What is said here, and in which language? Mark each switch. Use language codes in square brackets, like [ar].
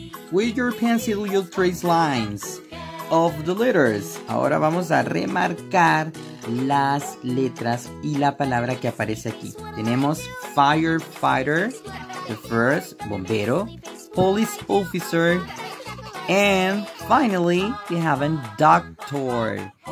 [en] With your pencil, you'll trace lines of the letters. [es] Ahora vamos a remarcar las letras y la palabra que aparece aquí. [en] Tenemos firefighter, the first, bombero, police officer, and finally, we have a doctor.